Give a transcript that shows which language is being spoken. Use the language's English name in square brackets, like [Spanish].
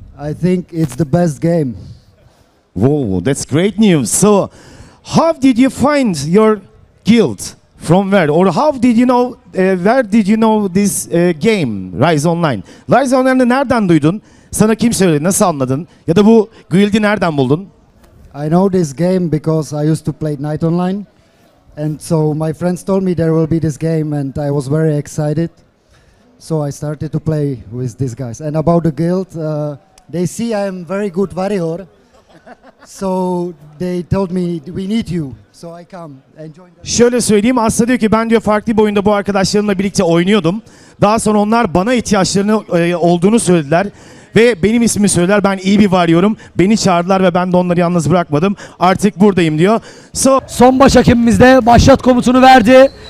[English] I think it's the best game. Whoa, that's great news. So, how did you find your guild? From where, or how did you know, where did you know this game, Rise Online? Rise Online'ı nereden duydun? Sana kim söyledi, nasıl anladın? Ya da bu guild'i nereden buldun? I know this game because I used to play Night Online. And so my friends told me there will be this game and I was very excited. So I started to play with these guys. And about the guild, they see I am very good warrior. So they told me we need you. So I come and join. [Turkish] Şöyle söyleyeyim, aslında diyor ki ben diyor farklı bir oyunda bu arkadaşlarımla birlikte oynuyordum. Daha sonra onlar bana ihtiyaçlarını olduğunu söylediler ve benim ismimi söylediler. Ben iyi bir varıyorum. Beni çağırdılar ve ben de onları yalnız bırakmadım. Artık buradayım diyor. So son baş hakemimiz de başlat komutunu verdi.